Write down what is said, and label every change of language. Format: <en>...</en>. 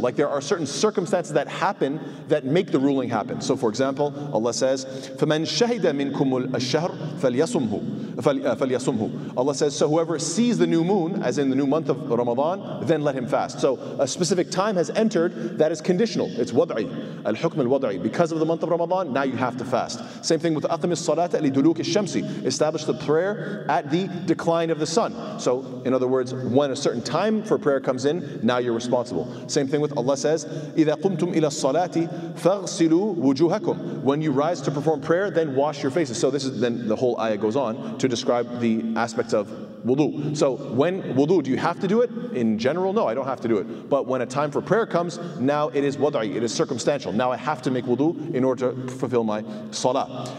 <en>Like there are certain circumstances that happen that make the ruling happen. So for example, Allah says,</en> <ar>فَمَن شَهِدَ مِنْكُمُ الْأَشْهَرُ فَلْيَصُمْهُ. فَلْيَصُمْهُ.</ar> <en>Allah says, so whoever sees the new moon, as in the new month of Ramadan, then let him fast. So a specific time has entered that is conditional. It's wad'i. Al-hukm al-wad'i. Because of the month of Ramadan, now you have to fast. Same thing with</en> <ar>أَقِمِ الصَّلَاةَ لِدُلُوكِ الشَّمْسِ.</ar> <en>Establish the prayer at the decline of the sun. So in other words, when a certain time for prayer comes in, now you're responsible. Same thing with Allah says,</en> <ar>إِذَا قُمْتُمْ إِلَى الصَّلَاةِ فَاغْسِلُوا وُجُوهَكُمْ.</ar> <en>When you rise to perform prayer, then wash your faces. So this is then the whole ayah goes on to describe the aspects of wudu. So when wudu, do you have to do it? In general, no, I don't have to do it. But when a time for prayer comes, now it is wad'i, it is circumstantial. Now I have to make wudu in order to fulfill my salah.</en>